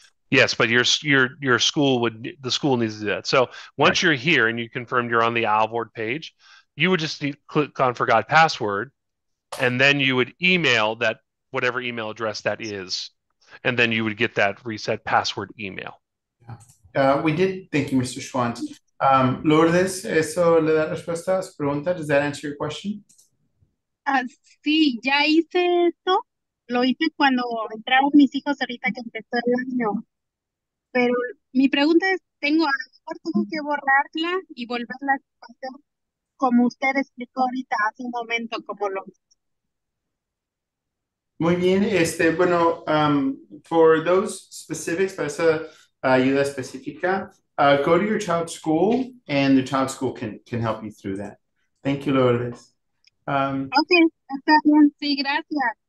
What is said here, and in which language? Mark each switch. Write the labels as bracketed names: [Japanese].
[English] Yes, but your school would, the school needs to do that. So once right. you're here and you confirmed you're on the Alvord page, you would just need to click on forgot password, and then you would email that whatever email address that is, and then you would get that reset password email. Yeah. We did. Thank you, Mr. Schwant. [Spanish] Lourdes, ¿eso le da respuesta a su pregunta? [English] Does that answer your question? [Spanish] Sí, ya hice esto. Lo hice cuando entraron mis hijos ahorita que empezó el año. Pero mi pregunta es, ¿tengo que borrarla y volverla a hacer como usted explicó ahorita hace un momento, como lo hizo? Muy bien. Este, bueno, [English] for those specifics, [Spanish] para esa ayuda específica, [English] go to your child's school and the child's school can help you through that. Thank you, Lourdes. [Spanish] Ok, está bien. Sí, gracias.